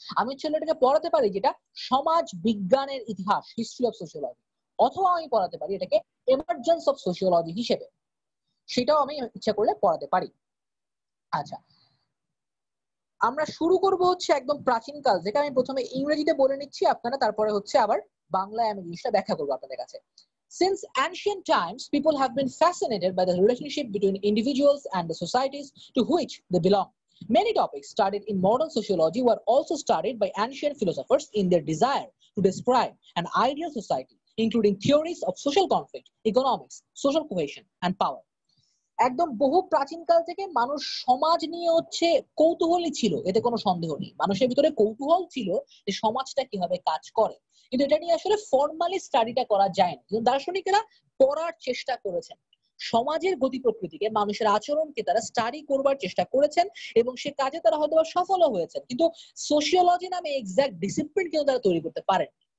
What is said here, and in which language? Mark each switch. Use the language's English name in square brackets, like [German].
[Bangla] আমি ছেলেটাকে পড়াতে পারি যেটা সমাজ বিজ্ঞানের ইতিহাস, হিস্ট্রি অফ সোশিওলজি, অথবা আমি পড়াতে পারি এটাকে এমার্জেন্স অফ সোশিওলজি হিসেবে, সেটাও আমি ইচ্ছা করলে পড়াতে পারি। আচ্ছা, আমরা শুরু করব হচ্ছে একদম প্রাচীন কাল, যেটা আমি প্রথমে ইংরেজিতে বলে নিচ্ছি আপনারা, তারপরে হচ্ছে আবার বাংলায় আমি জিনিসটা ব্যাখ্যা করবো আপনাদের কাছে। [English] Since ancient times, people have been fascinated by the relationship between individuals and the societies to which they belong. Many topics studied in modern sociology were also studied by ancient philosophers in their desire to describe an ideal society, including theories of social conflict, economics, social cohesion, and power. [Bangla] একদম বহু প্রাচীন কাল থেকে মানুষ সমাজ নিয়ে হচ্ছে কৌতূহলী ছিল, এতে কোনো সন্দেহ নেই। মানুষের ভিতরে কৌতূহল ছিল যে সমাজটা কিভাবে কাজ করে, কিন্তু এটা নিয়ে আসলে ফর্মালি স্টাডিটা করা যায়নি। কিন্তু দার্শনিকেরা পড়ার চেষ্টা করেছেন সমাজের গতি প্রকৃতিকে, মানুষের আচরণকে তারা স্টাডি করবার চেষ্টা করেছেন এবং সে কাজে তারা হয়তো সফলও হয়েছেন, কিন্তু সোশিওলজি নামে এক্সাক্ট ডিসিপ্লিন কিন্তু তারা তৈরি করতে পারেন।